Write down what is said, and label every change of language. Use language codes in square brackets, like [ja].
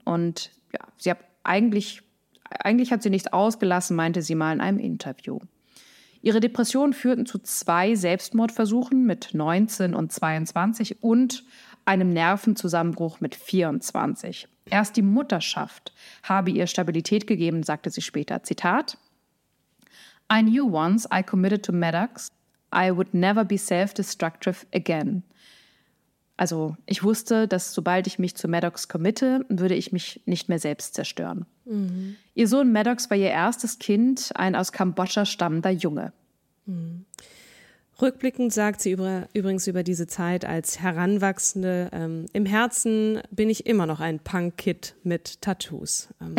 [de] Und ja, sie hat eigentlich hat sie nichts ausgelassen, meinte sie mal in einem Interview. Ihre Depressionen führten zu 2 Selbstmordversuchen mit 19 und 22 und einem Nervenzusammenbruch mit 24. Erst die Mutterschaft habe ihr Stabilität gegeben, sagte sie später. Zitat: [en] I knew once I committed to Medex, I would never be self-destructive again. [de] Also ich wusste, dass sobald ich mich zu Maddox committe, würde ich mich nicht mehr selbst zerstören. Mhm. Ihr Sohn Maddox war ihr erstes Kind, ein aus Kambodscha stammender Junge. Mhm. Rückblickend sagt sie übrigens über diese Zeit als Heranwachsende, im Herzen bin ich immer noch ein Punk-Kid mit Tattoos.